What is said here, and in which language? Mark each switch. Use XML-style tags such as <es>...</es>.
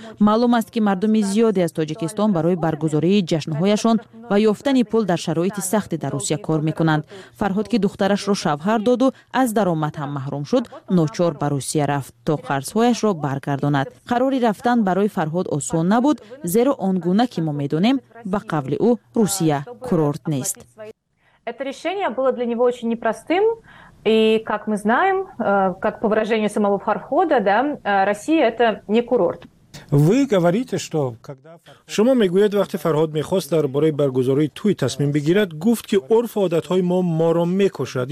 <fa>معلوم است که مردم زیادی از تاجیکستان برای برگزاری جشن هایشان و یافتن پول در شرایط سخت در روسیه کار میکنند. فرهاد که دخترش را شوهر داد و از درآمد هم محروم شد، ناچار به روسیه رفت تا قرض هایش را برگرداند. قراری رفتن برای فرهاد آسان نبود، زیرا آن گونه که ما میدونیم به قول او روسیه курорт نیست.</fa> <ru>Это решение было для него очень непростым, и как мы знаем, как по выражению самого Фархода, да, Россия это не курорт. Ви говорите, что когда</ru> <tg>Шума мегуед вақти Фарҳод мехост дар бораи баргузории туй тасмим бигирад, гуфт ки урф ва одатҳои мо моро мекушад.</tg>